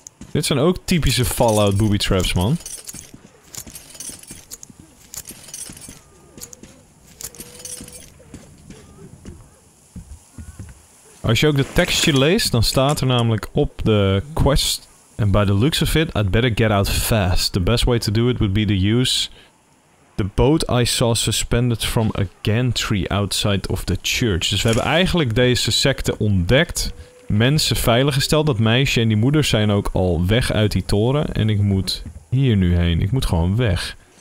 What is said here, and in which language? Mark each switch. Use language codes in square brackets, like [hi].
[nl] Dit zijn ook typische Fallout booby traps, man. Als je ook de tekstje leest, dan staat er namelijk op de quest... [en] And by the looks of it, I'd better get out fast. The best way to do it would be to use the boat I saw suspended from a gantry outside of the church. [nl] Dus we hebben eigenlijk deze secte ontdekt. Mensen veiliggesteld. Dat meisje en die moeder zijn ook al weg uit die toren. En ik moet hier nu heen. Ik moet gewoon weg.